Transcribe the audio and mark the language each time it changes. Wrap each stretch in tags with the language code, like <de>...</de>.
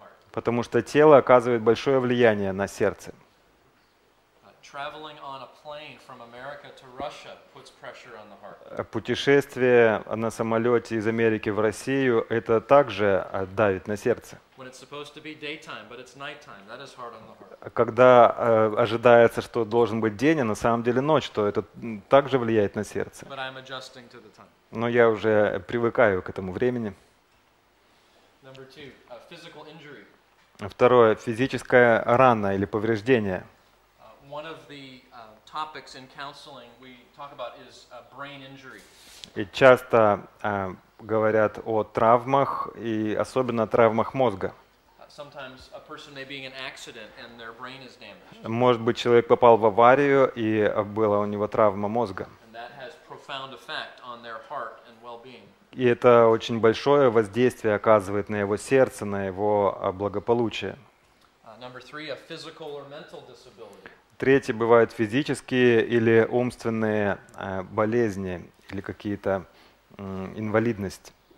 <ru>Потому что тело оказывает большое влияние на сердце.</ru> <en>Traveling on a plane from America to Russia puts pressure on the heart.</en> <ru>Путешествие на самолете из Америки в Россию – это также давит на сердце.</ru> <en>When it's supposed to be daytime, but it's nighttime, that is hard on the heart.</en> <ru>Когда ожидается, что должен быть день, а на самом деле ночь, то это также влияет на сердце.</ru> <en>But I'm adjusting to the time.</en> <ru>Но я уже привыкаю к этому времени.</ru> <en>Number two, physical injury.</en> <ru>Второе – физическая рана или повреждение.</ru> <en>One of the topics in counseling we talk about is brain injury.</en> <ru>И часто говорят о травмах и особенно о травмах мозга.</ru> <en>Sometimes a person may be in an accident and their brain is damaged.</en> <ru>Может быть, человек попал в аварию и была у него травма мозга.</ru> <en>And that has profound effect on their heart and well-being.</en> <ru>И это очень большое воздействие оказывает на его сердце, на его благополучие.</ru> <en>Number three, a physical or mental disability.</en> <ru>Третье, бывают физические или умственные болезни, или какие-то инвалидности.</ru>